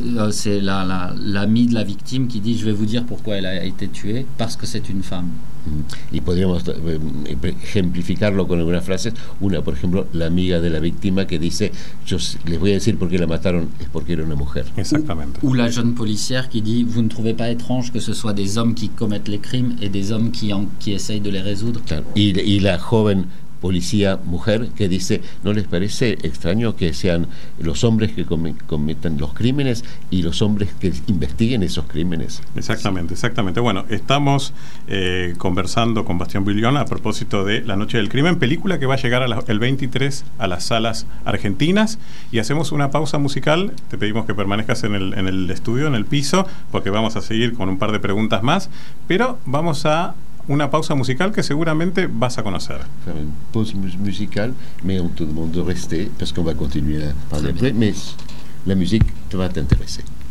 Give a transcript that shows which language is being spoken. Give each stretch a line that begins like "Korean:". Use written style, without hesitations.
French: C'est l'amie de la victime qui dit: je vais vous dire pourquoi elle a été tuée, parce que c'est une femme.
Spanish: Y podríamos ejemplificarlo con algunas frases. Una, por ejemplo, la amiga de la víctima que dice: yo les voy a decir por qué la mataron, es porque era una mujer. Exactamente.
French: O la jeune policière
Spanish: que dice:
French: vous ne trouvez pas étrange que ce soit des hommes qui commettent les crimes et des hommes qui essayent de les résoudre.
Spanish: Claro. Y la joven policía mujer que dice: ¿no les parece extraño que sean los hombres que cometan los crímenes y los hombres que investiguen esos crímenes? Exactamente, exactamente. Bueno, estamos conversando con Bastián Bullion a propósito de La Noche del Crimen, película que va a llegar el 23 a las salas argentinas, y hacemos una pausa musical. Te pedimos que permanezcas en el estudio, en el piso, porque vamos a seguir con un par de preguntas más, pero vamos a una pausa musical que seguramente vas a conocer.
French: Faire une pause musicale, mais on te demande de rester parce qu'on va continuer à parler après, mais la musique te va t'intéresser.